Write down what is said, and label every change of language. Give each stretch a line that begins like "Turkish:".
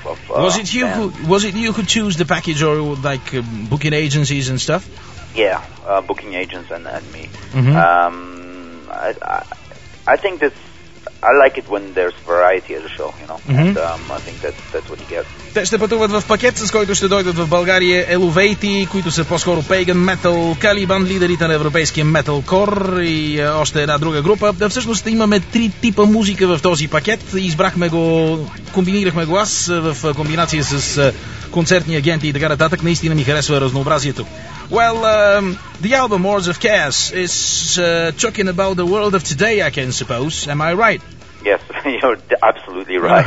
English: Was it you who chose the package, or like booking agencies and stuff? Yeah, booking agents and me. Mm-hmm. I like it when there's variety at the show, you know. Mm-hmm. And I think that's what you get.
Bulgarian: Те ще пътуват в пакет, с който ще дойдат в България Eluveti, които са по-скоро Pagan Metal, Caliban, лидерите на европейския Metalcore и още една друга група. Да, всъщност имаме три типа музика в този пакет. Избрахме го, комбинирахме го аз в комбинация с концертни агенти и така нататък. Наистина ми харесва разнообразието.
English: Well, the album Wars of Chaos is talking about the world of today, I can suppose. Am I right? Yes, you're absolutely right.